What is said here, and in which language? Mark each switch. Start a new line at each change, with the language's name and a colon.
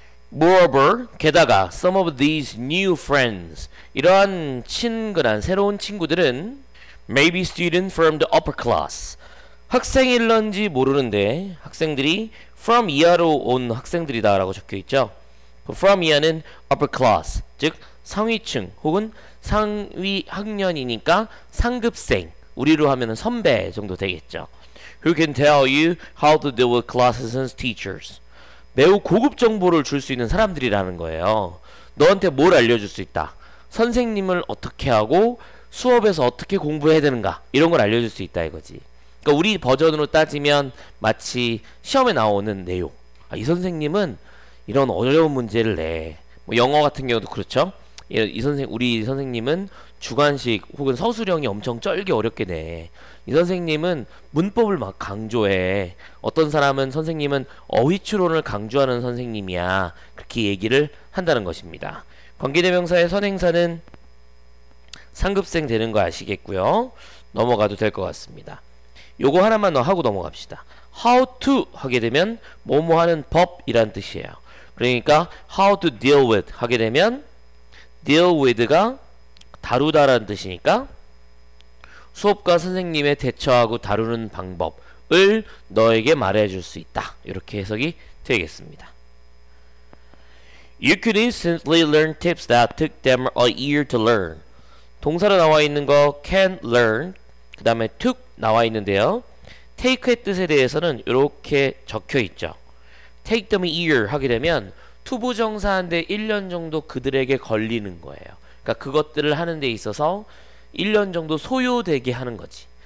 Korean: 모어버 게다가
English: some of these new friends
Korean: 이러한 친근한 새로운 친구들은
English: maybe students from the upper class
Korean: 학생일런지 모르는데 학생들이 from 이하로 온 학생들이다 라고 적혀있죠. from 이하는 upper class 즉 상위층 혹은 상위학년이니까 상급생 우리로 하면 선배 정도 되겠죠.
English: who can tell you how to deal with classes and teachers
Korean: 매우 고급 정보를 줄 수 있는 사람들이라는 거예요. 너한테 뭘 알려줄 수 있다. 선생님을 어떻게 하고 수업에서 어떻게 공부해야 되는가 이런 걸 알려줄 수 있다 이거지. 그러니까 우리 버전으로 따지면 마치 시험에 나오는 내용. 아, 이 선생님은 이런 어려운 문제를 내. 뭐 영어 같은 경우도 그렇죠. 우리 선생님은 주관식 혹은 서술형이 엄청 쩔게 어렵게 내. 이 선생님은 문법을 막 강조해. 어떤 사람은 선생님은 어휘추론을 강조하는 선생님이야. 그렇게 얘기를 한다는 것입니다. 관계대명사의 선행사는 상급생 되는 거 아시겠고요. 넘어가도 될 것 같습니다. 요거 하나만 더 하고 넘어갑시다. How to 하게 되면 뭐뭐 하는 법이란 뜻이에요. 그러니까 How to deal with 하게 되면 deal with가 다루다라는 뜻이니까 수업과 선생님의 대처하고 다루는 방법을 너에게 말해줄 수 있다. 이렇게 해석이 되겠습니다.
English: You could instantly learn tips that took them a year to learn.
Korean: 동사로 나와 있는 거 can learn 그 다음에 took 나와 있는데요. take의 뜻에 대해서는 이렇게 적혀 있죠. take them a year 하게 되면 to 부정사인데 1년 정도 그들에게 걸리는 거예요. 그러니까 그것들을 하는 데 있어서 1년 정도 소요되게 하는 거지.